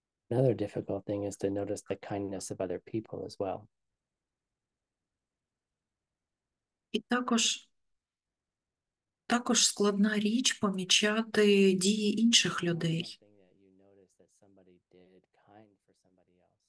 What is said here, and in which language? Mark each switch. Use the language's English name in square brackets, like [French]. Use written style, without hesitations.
[English] Another difficult thing is to notice the kindness of other people as well. [Ukrainian] І також складна річ помічати дії інших людей. [English] Something that you notice that somebody did kind for somebody else.